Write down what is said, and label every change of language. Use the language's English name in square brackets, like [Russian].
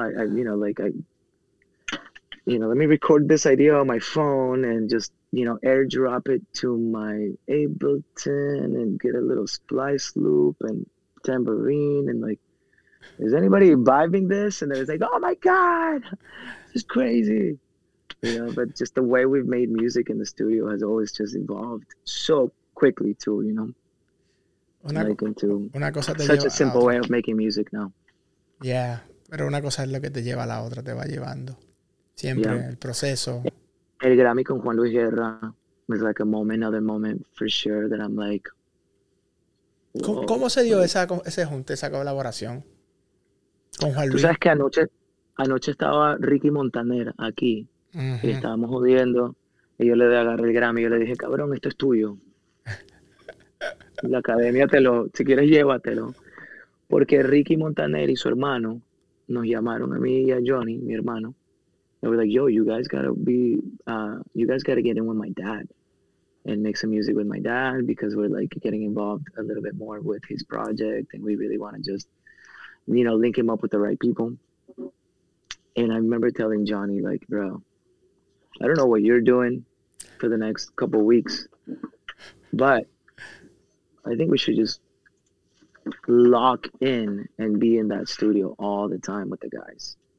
[English] I let me record this idea on my phone and just, you know, airdrop it to my Ableton and get a little splice loop and tambourine and like, is anybody vibing this? And then it's like, oh my god, this is crazy, you know. But just the way we've made music in the studio has always just evolved so quickly too, you know, a simple way of making music now. [Spanish] Yeah, pero una cosa es lo que te lleva a la otra, te va llevando. Siempre, el proceso. El Grammy con [English] Juan Luis Guerra was like a moment, another moment for sure that I'm like... [Spanish] ¿Cómo se dio ese junte, esa colaboración con Juan Luis? Tú sabes que anoche estaba Ricky Montaner aquí, uh-huh. y estábamos jodiendo, y yo le agarré el Grammy y yo le dije, cabrón, esto es tuyo. La Academia te lo, si quieres llévatelo. Porque Ricky Montaner y su hermano nos llamaron a mí y a Johnny, mi hermano, [English] They were like, yo, you guys gotta get in with my dad and make some music with my dad, because we're like getting involved a little bit more with his project, and we really want to just, you know, link him up with the right people. And I remember telling Johnny, like, bro, I don't know what you're doing for the next couple of weeks, but I think we should just lock in and be in that studio all the time with the guys.